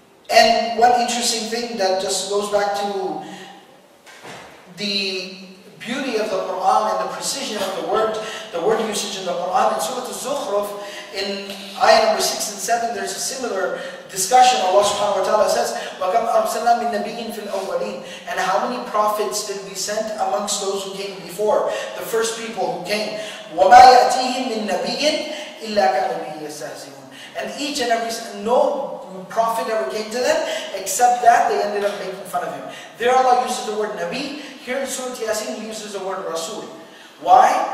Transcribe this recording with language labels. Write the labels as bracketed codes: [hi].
[en] And one interesting thing that just goes back to the beauty of the Quran and the precision of the word usage in the Quran, in Surah Az-Zukhruf, in ayah number 6 and 7, there's a similar discussion. Allah subhanahu wa ta'ala says, [ar] وَكَمْ أَرْسَلْنَا مِن نَبِيٍ فِي الْأَوَّلِينَ. [en] And how many prophets did we send amongst those who came before, the first people who came? [ar] وَمَا يَأْتِيهِمْ مِن نَبِيٍ إِلَّا كَانُوا بِهِ يَسْتَهْزِئُونَ. [en] And each and every, no prophet ever came to them, except that they ended up making fun of him. There Allah uses the word Nabi. Here in Surah Yaseen, He uses the word Rasul. Why?